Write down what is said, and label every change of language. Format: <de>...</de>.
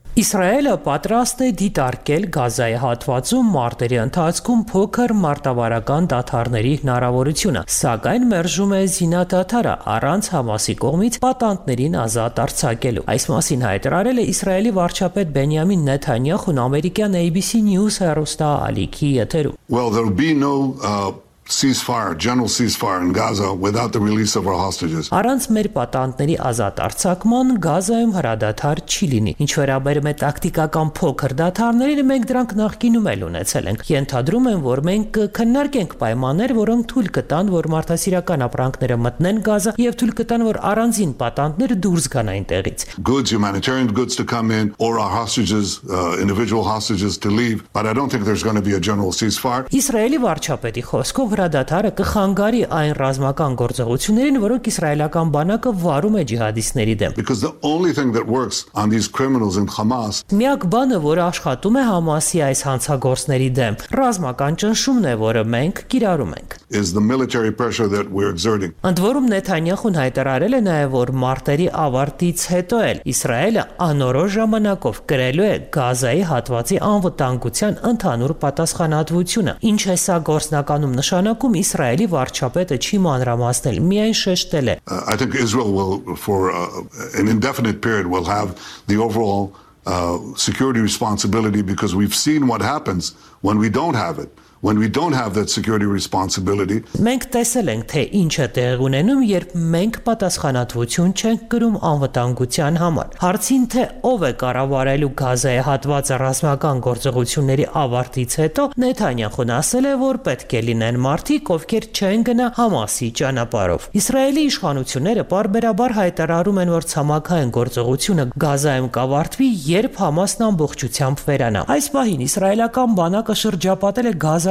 <hy>Իսրայելը պատրաստ է դիտարկել Գազայի հատվածում մարտերի ընթացքում փոքր մարտավարական դադարների հնարավորությունը, սակայն մերժում է զինադադարը առանց Համասի կողմից պատանդներին ազատ արձակելու։ Այս մասին հայտարարել է իսրայելի վարչապետ Բենյամին Նեթանյահուն ամերիկյան ABC News հեռուստաալիքի եթերում։</hy> <en>Well, there will be no ceasefire, general ceasefire in Gaza without the release of our hostages.</en> <hy>Առանց մեր պատանդների ազատ արձակման Գազայում հրադադար չի լինի։ Ինչ վերաբերում է տակտիկական փոքր դադարներին, մենք դրանք նախկինում էլ ունեցել ենք։ Ենթադրում են, որ մենք կքննարկենք պայմաններ, որոնք թույլ կտան, որ մարդասիրական ապրանքները մտնեն Գազա, և թույլ կտան, որ առանձին պատանդները դուրս գան այնտեղից։</hy> <en>Goods, humanitarian goods to come in, or our hostages, individual hostages to leave, but I don't think there's going to be a general ceasefire.</en> <hy>Իսրայելի վարչապետի խոսքով հրադադարը կխանգարի այն ռազմական գործողություններին, որոնք իսրայելական բանակը վարում է ջիհադիստների դեմ։</hy> <en>Because the only thing that works on these criminals in Hamas.</en> <hy>Միակ բանը, որը աշխատում է Համասի այս հանցագործների դեմ, ռազմական ճնշումն է, որը մենք կիրառում ենք։</hy> <en>Is the military pressure that we're exerting.</en> <hy>Ընդ որում Նեթանյահուն հայտարարել է նաև, որ մարտերի ավարտից հետո էլ Իսրայելը անորոշ ժամանակով կրելու է Գազայի հատվածի անվտանգության ընդհանուր պատասխանատվությունը։ Ինչ է սա գործնականում նշանակում, իսրայելի վարչապետը չի մանրամասնել, միայն շեշտել է.</hy> <en>I think Israel will for an indefinite period will have the overall security responsibility because we've seen what happens when we don't have it. When we don't have that security responsibility,</en> <hy>մենք տեսել ենք, թե ինչ է տեղ ունենում, երբ մենք պատասխանատվություն չենք կրում անվտանգության համար։ Հարցին, թե ով է կառավարելու Գազայի հատվածը ռազմական գործողությունների ավարտից հետո, Նեթանյահուն ասել է, որ պետք է լինեն մարդիկ, ովքեր չեն գնա Համասի ճանապարով։ Իսրայելի իշխանությունները պարբերաբար հայտարարում են, որ ցամաքային գործողությունը Գազայում կավարտվի, երբ Համասն ամբողջությամբ վերանա։ Այս պահին իսրայելական բանակը շրջապատել է Գազա</hy>